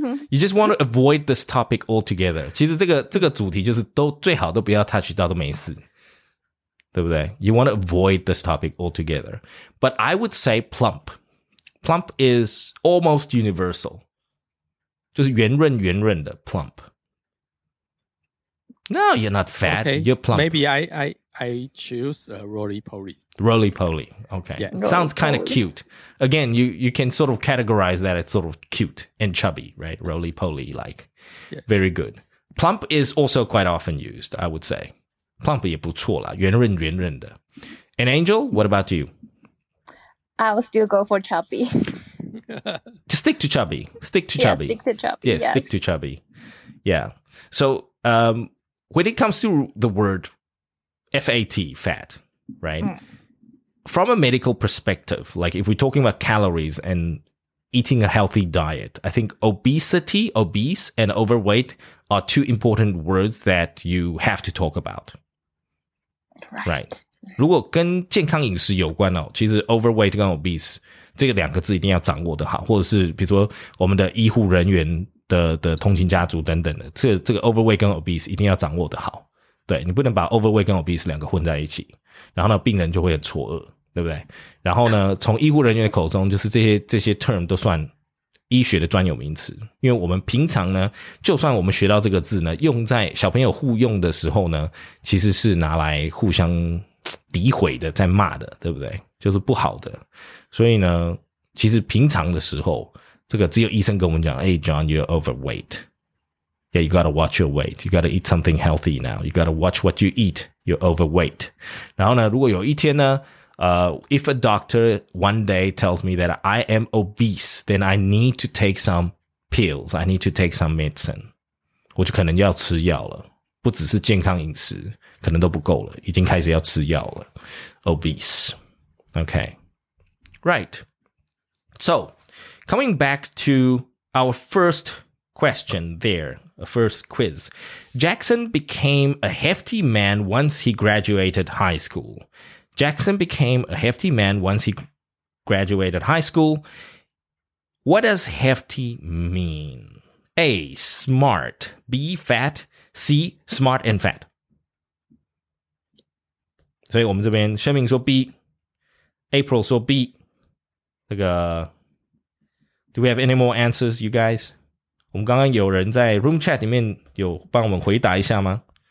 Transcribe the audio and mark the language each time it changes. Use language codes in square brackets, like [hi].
[en] You just want to avoid this topic altogether. [zh] 其实这个主题就是都最好都不要 touch 到都没事，对不对？ [en] You want to avoid this topic altogether. But I would say plump. Plump is almost universal. [zh] 就是圆润圆润的 plump. [en] No, you're not fat. Okay, you're plump. Maybe I choose a roly-poly. Roly-poly, okay. Yeah, sounds kind of cute. Again, you can sort of categorize that as sort of cute and chubby, right? Roly-poly, like,、yeah. very good. Plump is also quite often used, I would say. [zh] Plump 也不错啦，圆润圆润的。 [en] And Angel, what about you? I will still go for chubby. Stick to chubby. Yeah, stick to chubby. Yeah, yes. Stick to chubby. Yeah. So when it comes to the word FAT, fat, right? Mm. From a medical perspective, like if we're talking about calories and eating a healthy diet, I think obese and overweight are two important words that you have to talk about. Right. [zh] 如果跟健康饮食有关哦，其实 overweight 跟 obese 这个两个字一定要掌握的好，或者是比如说我们的医护人员的通勤家族等等的，这个 overweight 跟 obese 一定要掌握的好。对，你不能把 overweight 跟 obese 两个混在一起，然后呢病人就会很错愕，对不对？然后呢从医护人员的口中，就是这些 term 都算医学的专有名词，因为我们平常呢，就算我们学到这个字呢，用在小朋友互用的时候呢，其实是拿来互相诋毁的，在骂的，对不对？就是不好的。所以呢，其实平常的时候，这个只有医生跟我们讲 ， [en] Hey John, you're overweight. Yeah, you gotta watch your weight. You gotta eat something healthy now. You gotta watch what you eat. You're overweight. [zh] 然后呢，如果有一天呢？ [en] If a doctor one day tells me that I am obese, then I need to take some pills. I need to take some medicine. [zh] 我就可能要吃药了，不只是健康饮食，可能都不够了，已经开始要吃药了。 [en] Obese. Okay. Right. So, coming back to our first question there, a first quiz. Jackson became a hefty man once he graduated high school. Jackson became a hefty man once he graduated high school. What does hefty mean? A, smart. B, fat. C, smart and fat. [zh] 所以我们这边宣明说 B, April 说 B. 那个 [en] Do we have any more answers, you guys? [zh] 我们刚刚有人在 room chat 里面有帮我们回答一下吗？